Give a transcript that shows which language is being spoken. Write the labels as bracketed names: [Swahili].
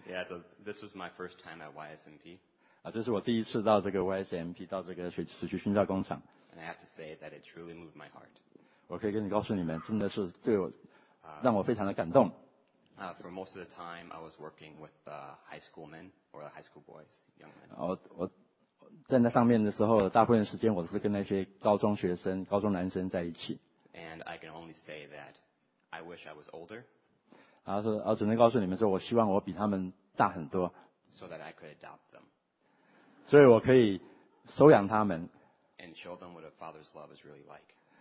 [English] Yeah, so this was my first time at YSMP. [Chinese] 啊，这是我第一次到这个 YSMP， 到这个水区训教工厂。 [English] And I have to say that it truly moved my heart. [Chinese] 我可以跟你告诉你们，真的是对我让我非常的感动。 [English] For most of the time, I was working with high school men or high school boys, young men. [Chinese] 我在那上面的时候，大部分时间我是跟那些高中学生、高中男生在一起。 [English] And I can only say that I wish I was older. [Chinese] 啊，只能告诉你们说，我希望我比他们大很多。 [English] So that I could adopt them. [Chinese] 所以我可以收养他们。 [English] And show them what a father's love is really like.